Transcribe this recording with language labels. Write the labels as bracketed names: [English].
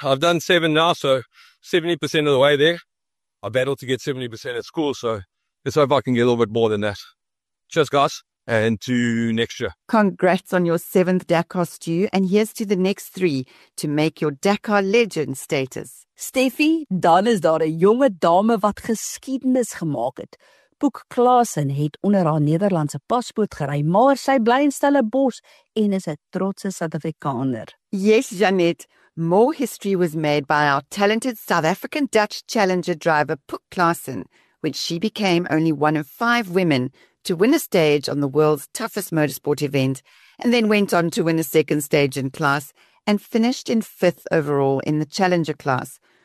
[English] I've done 7 now, so 70% of the way there. I battled to get 70% at school, so let's hope I can get a little bit more than that. Cheers, guys, and to next year. Congrats on your 7th Dakar, Stu, and here's to the next 3 to make your Dakar legend status. [Afrikaans] Steffie, dan is daar 'n jonge dame wat geskiedenis gemaak het. Boek Klaassen het onder haar Nederlandse paspoort gery, maar sy bly in Stellenbosch en is 'n trotse Suid-Afrikaner. [English] Yes, Janet. More history was made by our talented South African Dutch challenger driver, Puk Klaassen, when she became only one of 5 women to win a stage on the world's toughest motorsport event and then went on to win a second stage in class and finished in 5th overall in the challenger class.